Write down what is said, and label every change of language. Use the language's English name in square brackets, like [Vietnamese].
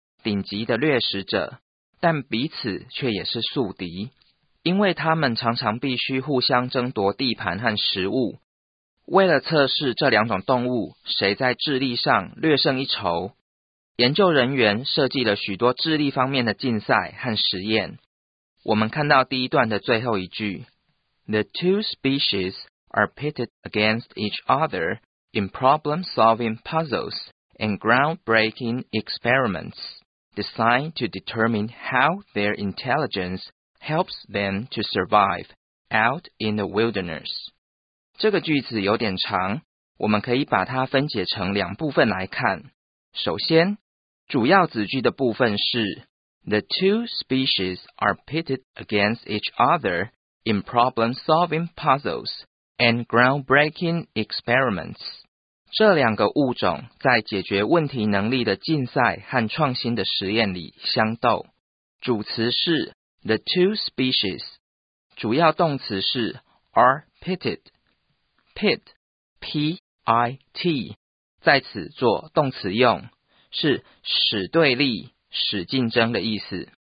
[Chinese] 顶级的掠食者，但彼此却也是宿敌，因为他们常常必须互相争夺地盘和食物。为了测试这两种动物谁在智力上略胜一筹，研究人员设计了许多智力方面的竞赛和实验。我们看到第一段的最后一句 [English] The two species are pitted against each other in problem-solving puzzles and groundbreaking experiments. Designed to determine how their intelligence helps them to survive out in the wilderness. [Chinese] 这个句子有点长，我们可以把它分解成两部分来看。首先，主要子句的部分是 [English] The two species are pitted against each other in problem-solving puzzles and groundbreaking experiments. [Chinese] 这两个物种在解决问题能力的竞赛和创新的实验里相斗。主词是 the two species， 主要动词是 are pitted， pit p i t 在此做动词用，是使对立、使竞争的意思。